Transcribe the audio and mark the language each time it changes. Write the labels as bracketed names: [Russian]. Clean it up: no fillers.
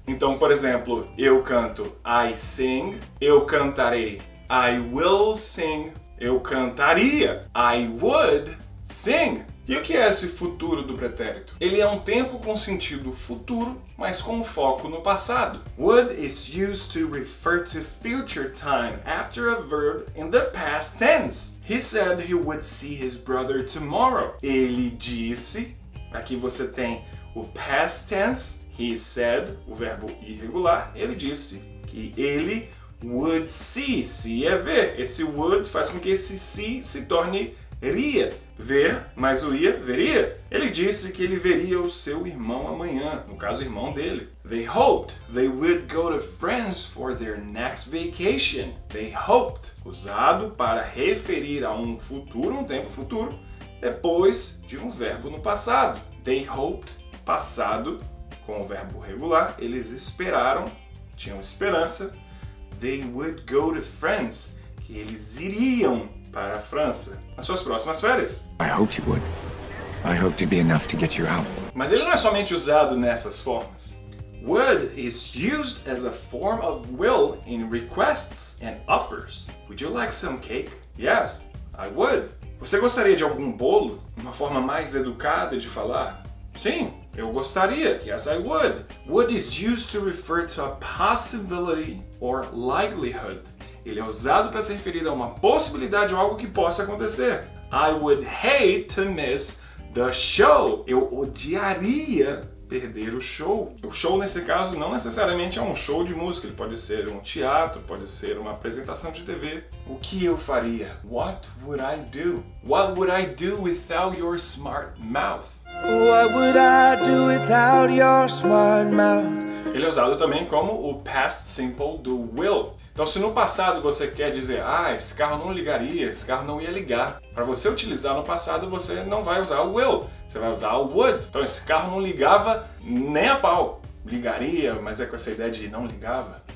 [Portuguese] Então, por exemplo, eu canto, [English] I sing, [Portuguese] eu cantarei, [English] I will sing, [Portuguese] eu cantaria, [English] I would sing. [Portuguese] E o que é esse futuro do pretérito? Ele é um tempo com sentido futuro, mas com foco no passado. [English] Would is used to refer to future time after a verb in the past tense. He said he would see his brother tomorrow. [Portuguese] Ele disse, aqui você tem o past tense, [English] he said, [Portuguese] o verbo irregular, ele disse que ele [English] would see, [Portuguese] see é ver. Esse would faz com que esse see se torne ria. Ver, mais o ia, veria. Ele disse que ele veria o seu irmão amanhã, no caso, o irmão dele. [English] They hoped they would go to France for their next vacation. They hoped, [Portuguese] usado para referir a um futuro, um tempo futuro, depois de um verbo no passado. [English] They hoped, [Portuguese] passado, com o verbo regular, eles esperaram, tinham esperança. [English] They would go to France, [Portuguese] que eles iriam para a França, nas suas próximas férias. [English] I hope you would. I hope to be enough to get you out. [Portuguese] Mas ele não é somente usado nessas formas. [English] Would is used as a form of will in requests and offers. Would you like some cake? Yes, I would. [Portuguese] Você gostaria de algum bolo? Uma forma mais educada de falar? Sim, eu gostaria. [English] Yes, I would. Would is used to refer to a possibility or likelihood. [Portuguese] Ele é usado para se referir a uma possibilidade ou algo que possa acontecer. [English] I would hate to miss the show. [Portuguese] Eu odiaria perder o show. O show, nesse caso, não necessariamente é um show de música. Ele pode ser um teatro, pode ser uma apresentação de TV. O que eu faria? [English] What would I do? What would I do without your smart mouth? What would I do without your smart mouth? [Portuguese] Ele é usado também como o past simple do will. Então, se no passado você quer dizer, ah, esse carro não ligaria, esse carro não ia ligar, para você utilizar no passado, você não vai usar o will, você vai usar o would. Então, esse carro não ligava nem a pau. Ligaria, mas é com essa ideia de não ligava.